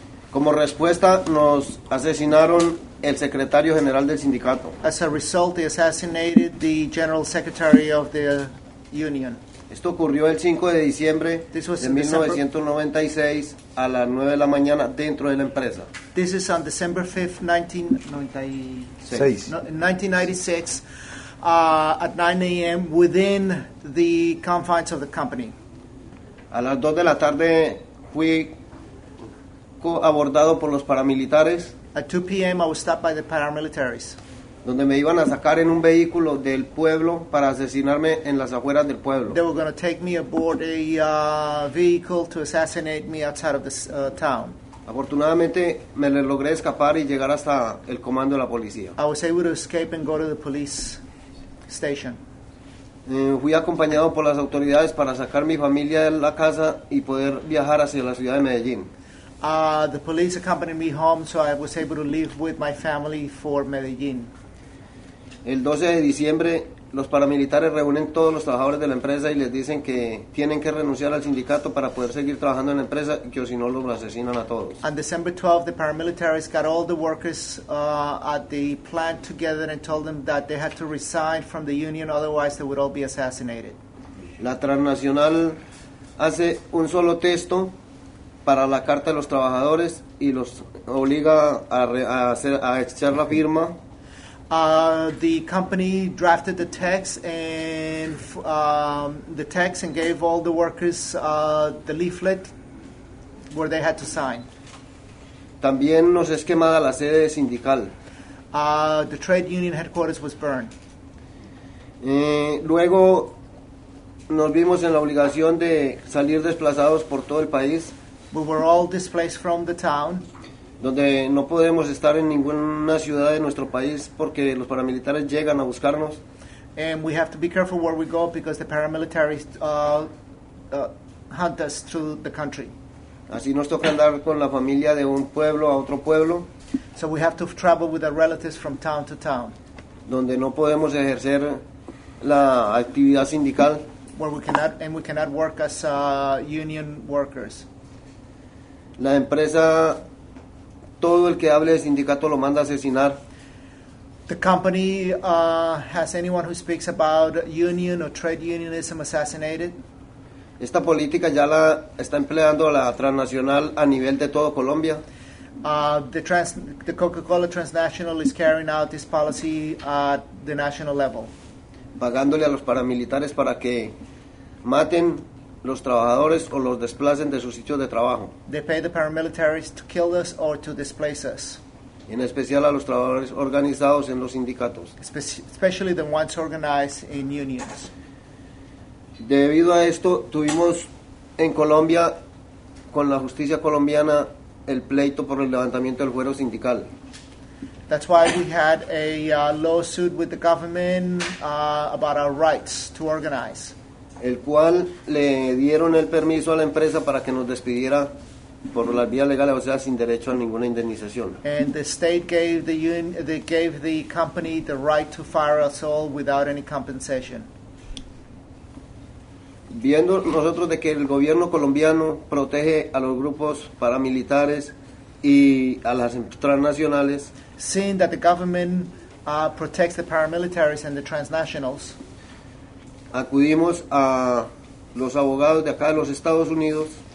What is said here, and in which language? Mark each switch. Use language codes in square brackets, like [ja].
[es] Como respuesta, nos asesinaron el secretario general del sindicato. [en] As a result, they assassinated the general secretary of the union. [es] Esto ocurrió el 5 de diciembre de 1996 a las 9 de la mañana dentro de la empresa. [en] This is on December 5th, 1996, at 9 a.m. within the confines of the company. [es] A las 2 de la tarde fui abordado por los paramilitares. [en] At 2 p.m. I was stopped by the paramilitaries. [es] Donde me iban a sacar en un vehículo del pueblo para asesinarme en las afueras del pueblo. [en] They were going to take me aboard a vehicle to assassinate me outside of the town. [es] Afortunadamente, me logré escapar y llegar hasta el comando de la policía. [en] I was able to escape and go to the police station. [es] Fui acompañado por las autoridades para sacar mi familia de la casa y poder viajar hacia la ciudad de Medellín. [en] The police accompanied me home, so I was able to leave with my family for Medellín. [es] El 12 de diciembre, los paramilitares reúnen todos los trabajadores de la empresa y les dicen que tienen que renunciar al sindicato para poder seguir trabajando en la empresa, que o si no los asesinan a todos. [en] On December 12, the paramilitaries got all the workers at the plant together and told them that they had to resign from the union, otherwise they would all be assassinated. [es] La transnacional hace un solo texto para la carta de los trabajadores y los obliga a echar la firma. [en] The company drafted the text and the text and gave all the workers the leaflet where they had to sign. [es] También nos es quemada la sede sindical. [en] The trade union headquarters was burned. [es] Luego nos vimos en la obligación de salir desplazados por todo el país. [en] We were all displaced from the town. [es] Donde no podemos estar en ninguna ciudad de nuestro país porque los paramilitares llegan a buscarnos. [en] And we have to be careful where we go because the paramilitaries hunt us through the country. [es] Así nos toca andar con la familia de un pueblo a otro pueblo. [en] So we have to travel with our relatives from town to town. [es] Donde no podemos ejercer la actividad sindical. [en] Where we cannot, and we cannot work as union workers. [es] La empresa, todo el que hable de sindicato lo manda a asesinar. [en] The company has anyone who speaks about union or trade unionism assassinated. [es] Esta política ya la está empleando la transnacional a nivel de todo Colombia. [en] The Coca-Cola transnational is carrying out this policy at the national level. [es] Pagándole a los paramilitares para que maten los trabajadores o los desplacen de sus sitios de trabajo. [en] They pay the paramilitaries to kill us or to displace us. [es] En especial a los trabajadores organizados en los sindicatos. [en] Especially the ones organized in unions. [es] Debido a esto, tuvimos en Colombia, con la justicia colombiana, el pleito por el levantamiento del fuero sindical. [en] That's why we had a lawsuit with the government about our rights to organize. [es] El cual le dieron el permiso a la empresa para que nos despidiera por las vías legales, o sea, sin derecho a ninguna indemnización. [en] And the state gave the they gave the company the right to fire us all without any compensation. [es] Viendo nosotros de que el gobierno colombiano protege a los grupos paramilitares y a las transnacionales, [en] seeing that the government protects the paramilitaries and the transnationals, [es] acudimos a los abogados de acá de los Estados Unidos.